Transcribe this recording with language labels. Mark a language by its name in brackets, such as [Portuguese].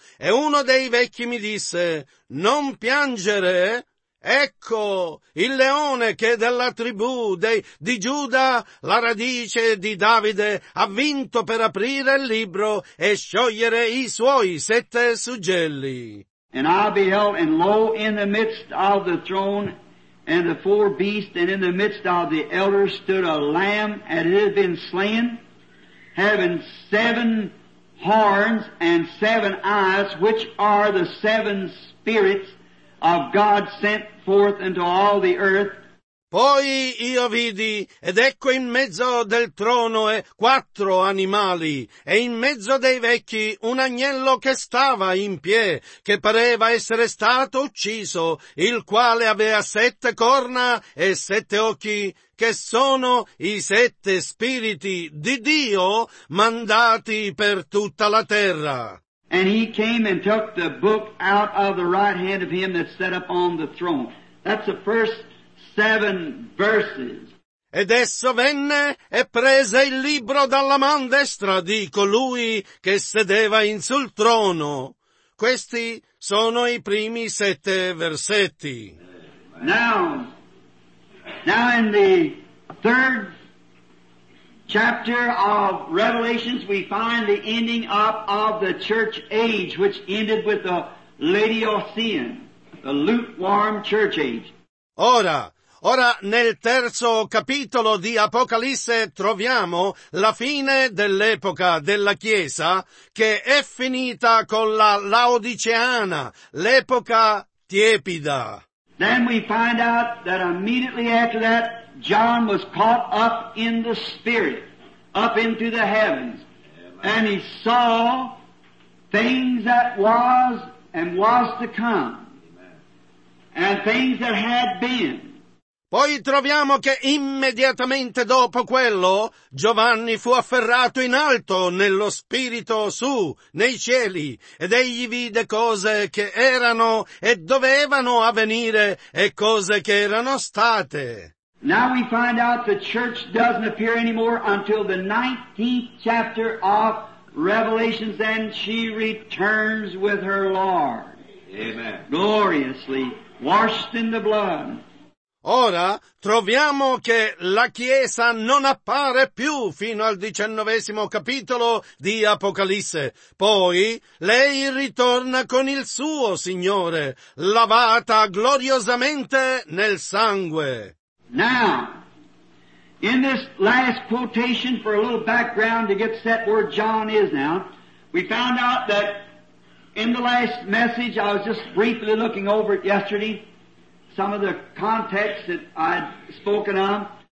[Italian] E uno dei vecchi mi disse, non piangere. Ecco, il leone che della tribù di Giuda, la radice di Davide, ha vinto per aprire il libro e sciogliere i suoi sette suggelli. [English] And I beheld, and lo, in the midst of the throne and the four beasts, and in the midst of the elders stood a lamb that had been slain, having seven horns and seven eyes, which are the seven spirits of God sent forth into all the earth. [Italian] Poi io vidi, ed ecco in mezzo del trono e quattro animali, e in mezzo dei vecchi un agnello che stava in pie, che pareva essere stato ucciso, il quale aveva sette corna e sette occhi, che sono i sette spiriti di Dio mandati per tutta la terra. [English] And he came and took the book out of the right hand of him that sat upon the throne. That's the first seven verses. [Italian] Ed esso venne e prese il libro dalla man destra di colui che sedeva in sul trono. Questi sono i primi sette versetti. [English] Now in the third chapter of Revelations, we find the ending up of the church age, which ended with the Laodicean, the lukewarm church age. [Italian] Ora, nel terzo capitolo di Apocalisse troviamo la fine dell'epoca della Chiesa, che è finita con la Laodiceana, l'epoca tiepida. [English] Then we find out that immediately after that, John was caught up in the Spirit, up into the heavens, and he saw things that was and was to come, and things that had been. [Italian] Poi troviamo che immediatamente dopo quello, Giovanni fu afferrato in alto nello spirito su, nei cieli, ed egli vide cose che erano e dovevano avvenire e cose che erano state. [English] Now we find out the church doesn't appear anymore until the 19th chapter of Revelation, and she returns with her Lord. Amen. Gloriously washed in the blood. [Italian] Ora troviamo che la Chiesa non appare più fino al 19° capitolo di Apocalisse. Poi lei ritorna con il suo Signore, lavata gloriosamente nel sangue. [English] Now, in this last quotation, for a little background to get set where John is now, we found out that in the last message, I was just briefly looking over it yesterday, some of the context that I'd spoken on.